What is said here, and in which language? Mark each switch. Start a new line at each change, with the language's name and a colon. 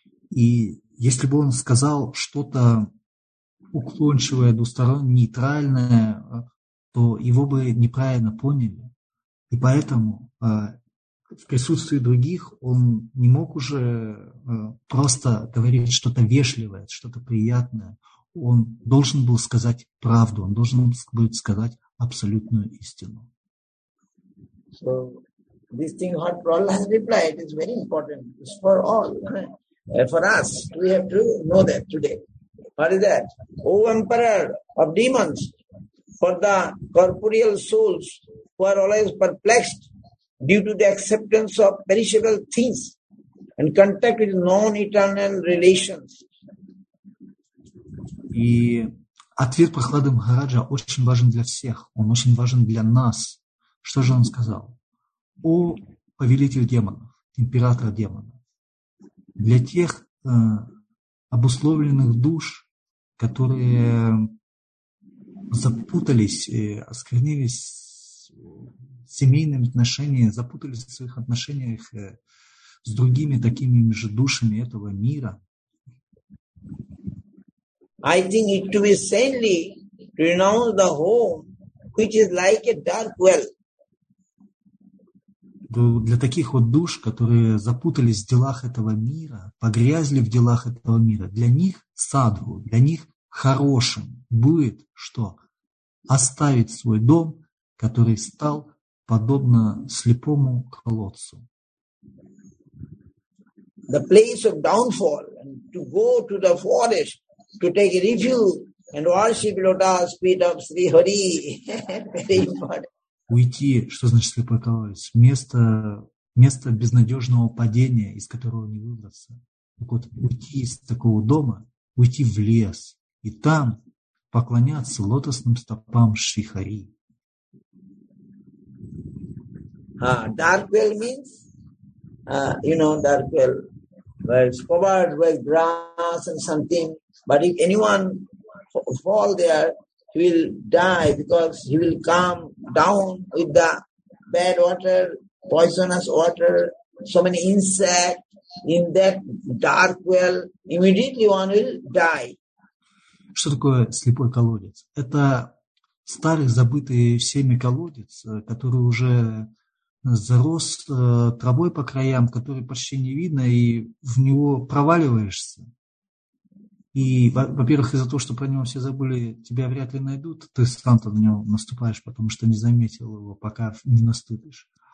Russian: И если бы он сказал что-то уклончивое, двустороннее, нейтральное, то его бы неправильно поняли. И поэтому в присутствии других он не мог уже просто говорить что-то вежливое, что-то приятное. Он должен был сказать правду, он должен был сказать абсолютную истину.
English: So, this thing what Prahlad replied is very important. It's for all. For us, we have to know that today. What is that? O emperor of demons, for the corporeal souls who are always perplexed due to the acceptance of perishable things and contact with non-eternal relations.
Russian: И ответ Прохлады Махараджа очень важен для всех, он очень важен для нас. Что же он сказал? О повелитель демонов, император демонов, для тех обусловленных душ, которые запутались и осквернились семейными отношениями, запутались в своих отношениях с другими такими же душами этого мира.
English: I think it to be saintly to renounce the home, which is like a dark well.
Russian: Для таких вот душ, которые запутались в делах этого мира, погрязли в делах этого мира, для них садху, для них хорошим будет, что оставить свой дом, который стал подобно слепому колодцу.
English: The place of downfall, and to go to the forest to take refuge and worship lotus feet of Sri Hari. Very important.
Russian: Уйти, что значит слепой колодец? Место безнадежного падения, из которого не выбраться. Так вот, уйти из такого дома, уйти в лес и там поклоняться лотосным стопам Шри Хари.
English: Darkwell means, you know, Darkwell, where it's covered by grass and something, but if anyone fall there, he will die because he will come down with the bad water, poisonous water, so many insects in that dark well, immediately one will die.
Russian: Что такое слепой колодец? Это старый, забытый всеми колодец, который уже зарос травой по краям, который почти не видно, и в него проваливаешься. И, во-первых, из-за того, что про него все забыли, тебя вряд ли найдут, ты сам-то на него наступаешь, потому что не заметил его, пока не наступишь.